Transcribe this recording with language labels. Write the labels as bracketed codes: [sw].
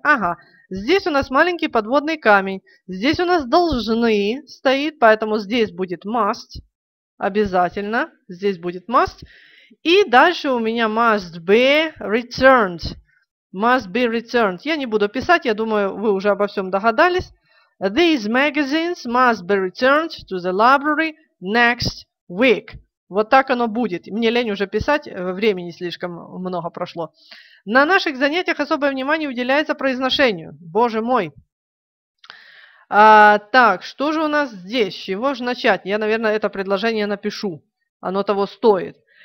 [ru] Ага, здесь у нас маленький подводный камень. Здесь у нас должны стоит, поэтому здесь будет must. Обязательно. Здесь будет must. И дальше у меня [en] must be returned. Must be returned. [ru] Я не буду писать, я думаю, вы уже обо всем догадались. [en] These magazines must be returned to the library next week. [ru] Вот так оно будет. Мне лень уже писать, времени слишком много прошло. На наших занятиях особое внимание уделяется произношению. Боже мой. Так, что же у нас здесь? С чего же начать? Я, наверное, это предложение напишу. Оно того стоит.